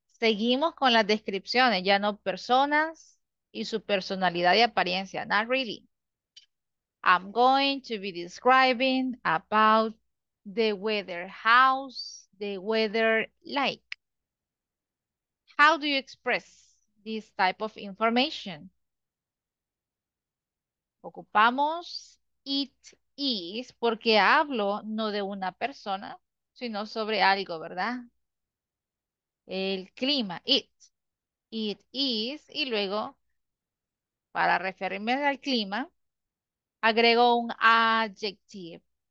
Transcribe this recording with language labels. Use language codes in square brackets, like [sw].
[es] Seguimos con las descripciones, ya no personas y su personalidad y apariencia. [en] Not really. I'm going to be describing about the weather. How's the weather like? How do you express this type of information? [es] Ocupamos it is porque hablo no de una persona, sino sobre algo, ¿verdad? El clima, it. It is, y luego, para referirme al clima, agrego un adjective.